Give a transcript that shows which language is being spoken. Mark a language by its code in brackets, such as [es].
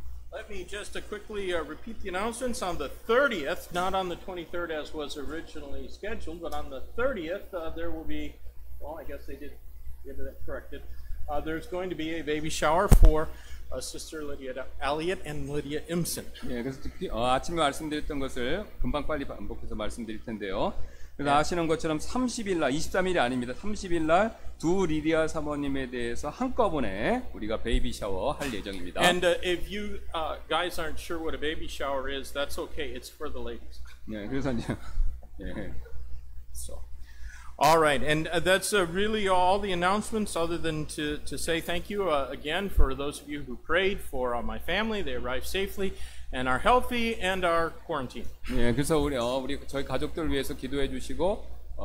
[en] Let me just quickly repeat the announcements. On the 30th, not on the 23rd as was originally scheduled, but on the 30th there will be, well, I guess they did get it corrected. There's going to be a baby shower for Sister Lydia Elliott and Lydia Imson. [ko] 예, 그래서 아침에 말씀드렸던 것을 금방 빨리 반복해서 말씀드릴 텐데요. 그래서 아시는 것처럼 30일 날, 23일이 아닙니다. 30일 날 두 리디아 사모님에 대해서 한꺼번에 우리가 베이비 샤워 할 예정입니다. [en] And if you guys aren't sure what a baby shower is, that's okay. It's for the ladies. [ko] 네, 그래서 이제 네. [en] So, all right, and that's really all the announcements, other than to say thank you again for those of you who prayed for my family. They arrived safely and are healthy and are quarantined. [ko] 네, 그래서 우리 저희 가족들 위해서 기도해 주시고.